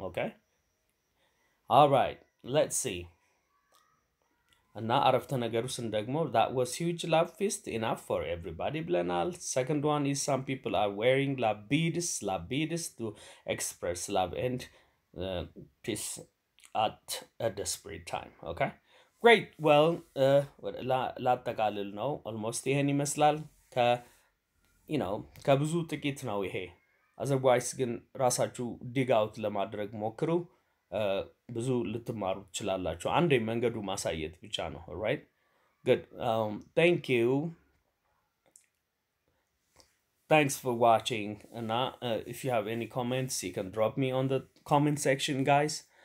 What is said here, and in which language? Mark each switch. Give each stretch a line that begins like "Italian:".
English: Okay, all right, let's see.
Amharic: እና አረፍተ ነገሩስን ደግሞ
English: that was huge love feast enough for everybody
Amharic: blenal.
English: Second one is some people are wearing love beads to express love and peace at a desperate time. Okay, great.
Amharic: Well, ላጠቃልል ነው almost ይሄን ይመስላል ከ
English: you know
Amharic: ከብዙ ጥቂት ነው ይሄ። otherwise ግን ራሳችሁ
English: dig out
Amharic: ለማድረግ ሞክሩ ብዙ ልትማሩ ትችላላችሁ አንዴ መንገዱ ማሳየት ብቻ ነው።
English: right, good. Thank you, thanks for watching. And if you have any comments you can drop me on the comment section guys.